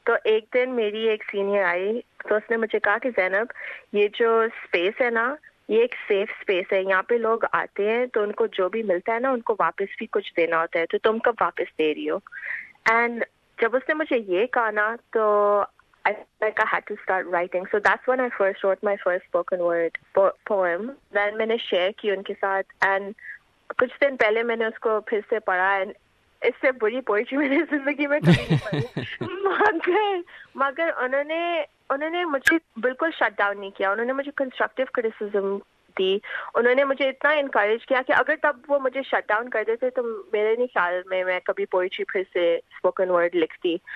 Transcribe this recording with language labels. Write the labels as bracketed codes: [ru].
[ur] تو ایک دن میری ایک سینئر آئی تو اس نے مجھے کہا کہ زینب یہ جو اسپیس ہے نا یہ ایک سیف اسپیس ہے, یہاں پہ لوگ آتے ہیں تو ان کو جو بھی ملتا ہے نا ان کو واپس بھی کچھ دینا ہوتا ہے, تو تم کب واپس دے رہی ہو. اینڈ جب اس نے مجھے یہ کہا نا تو [en] like I had to start writing. So that's when I first wrote my first spoken word poem. [ur] Then میں نے شیئر کی ان کے ساتھ اینڈ کچھ دن پہلے میں نے اس کو پھر سے پڑھا اینڈ اس سے بری پوئٹری میں نے زندگی میں کبھی نہیں پڑھی. مگر انہوں نے مجھے بالکل شٹ ڈاؤن نہیں کیا, انہوں نے مجھے کنسٹرکٹیو کرٹیسزم دی, انہوں نے مجھے اتنا انکریج کیا کہ اگر تب وہ مجھے شٹ ڈاؤن کر دیتے تو میرے نہیں خیال میں کبھی پوئٹری پھر سے اسپوکن ورڈ لکھتی.